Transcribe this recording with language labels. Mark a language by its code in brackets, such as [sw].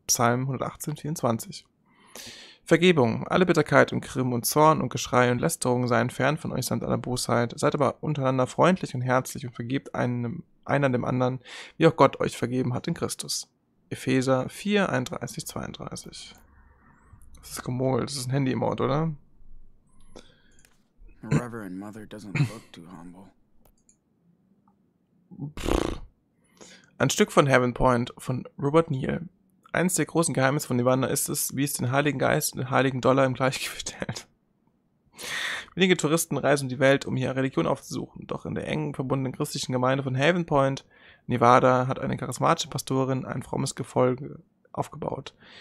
[de] Psalm 118, 24. Vergebung, alle Bitterkeit und Grimm und Zorn und Geschrei und Lästerung seien fern von euch samt aller Bosheit. Seid aber untereinander freundlich und herzlich und vergebt einer dem anderen, wie auch Gott euch vergeben hat in Christus. Epheser 4:31-32. Das ist Gemurmel, das ist ein Handy-Emote, oder? [en] Reverend Mother doesn't look too humble. [de] Ein Stück von Heaven Point von Robert Neal. Eins der großen Geheimnisse von Nirvana ist es, wie es den Heiligen Geist und den Heiligen Dollar im Gleichgewicht hält. Wenige Touristen reisen die Welt, um hier Religion aufzusuchen, doch in der eng verbundenen christlichen Gemeinde von Haven Point, Nevada, hat eine charismatische Pastorin ein frommes Gefolge aufgebaut.